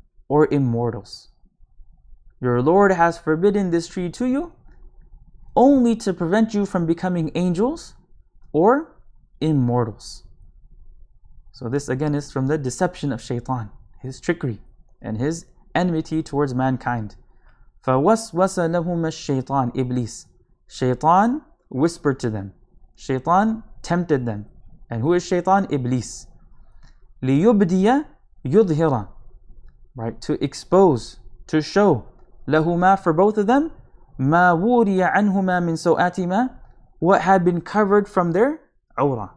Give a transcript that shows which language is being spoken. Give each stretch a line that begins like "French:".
English: or immortals. Your Lord has forbidden this tree to you only to prevent you from becoming angels or immortals. So this again is from the deception of Shaytan, his trickery and his enmity towards mankind.
Arabic: فَوَسْوَسَ لَهُمَ الشَّيْطَانِ Iblis.
English: Shaytan whispered to them. Shaytan tempted them. And who is Shaytan? Iblis.
Arabic: لِيُبْدِيَ يُظْهِرَ
English: Right, to expose, to show.
Arabic: لَهُمَا
English: For both of them.
Arabic: مَا وُورِيَ عَنْهُمَا مِنْ سَوْآتِمَا
English: What had been covered from their awrah.